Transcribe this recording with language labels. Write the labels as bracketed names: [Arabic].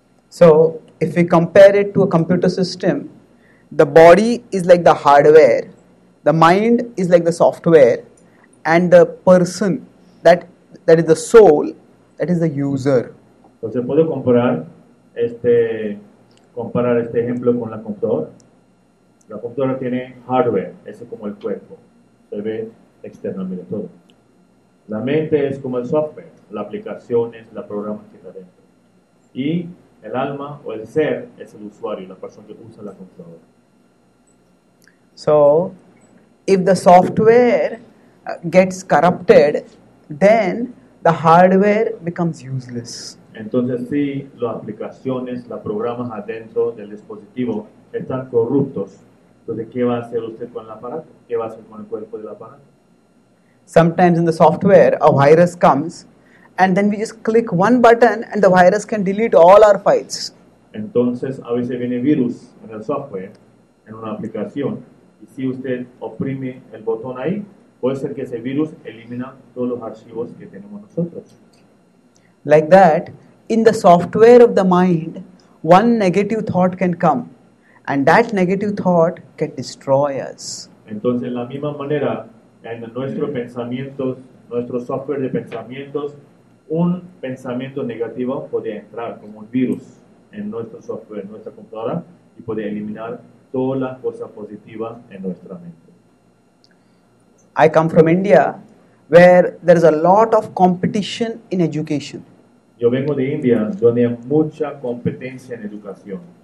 [English] So, if we compare it to a computer system, the body is like the hardware, the mind is like the software, and the person, that is the soul, that is the user. [Spanish] Entonces, ¿puedo comparar este ejemplo con la computadora? La computadora tiene hardware, es como el cuerpo, se ve externamente todo. La mente es como el software, las aplicaciones, los programas que está dentro. Y el alma o el ser es el usuario, la persona que usa la computadora. [English] So, if the software gets corrupted, then the hardware becomes useless. [Spanish] Entonces, si las aplicaciones, los programas adentro del dispositivo están corruptos, entonces, ¿qué va a hacer usted con el aparato? ¿Qué va a hacer con el cuerpo del aparato? [English] Sometimes in the software, a virus comes, and then we just click one button, and the virus can delete all our files. [Spanish] Entonces, a veces viene virus en el software, en una aplicación, y si usted oprime el botón ahí, puede ser que ese virus elimina todos los archivos que tenemos nosotros. [English] Like that, in the software of the mind, one negative thought can come. And that negative thought can destroy us. [Spanish] Entonces, en la misma manera, en nuestros pensamientos, nuestro software de pensamientos, un pensamiento negativo puede entrar como un virus en nuestro software, nuestra computadora, y puede eliminar todas las cosas positivas en nuestra mente. [English] I come from India, where there is a lot of competition in education. [Spanish] Yo vengo de India, donde hay mucha competencia en educación.